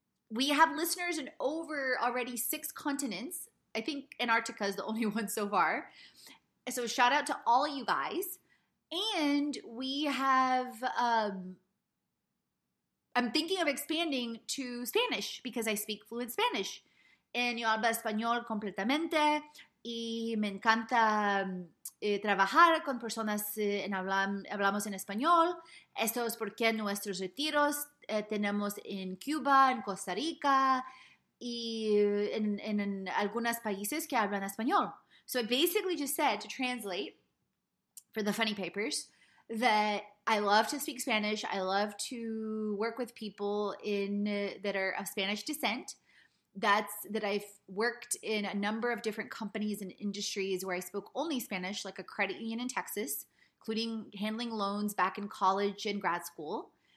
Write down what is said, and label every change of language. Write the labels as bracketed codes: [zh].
[en] We have listeners in over already 6 continents. I think Antarctica is the only one so far. So shout out to all of you guys. And we have, I'm thinking of expanding to Spanish because I speak fluent Spanish. [es] And yo hablo español completamente. Y me encanta trabajar con personas en hablamos en español. Esto es porque nuestros retiros tenemos en Cuba, en Costa Rica, y en algunos países que hablan español. [en] So I basically just said, to translate for the funny papers, that I love to speak Spanish. I love to work with people that are of Spanish descent. That's that I've worked in a number of different companies and industries where I spoke only Spanish, like a credit union in Texas, including handling loans back in college and grad school.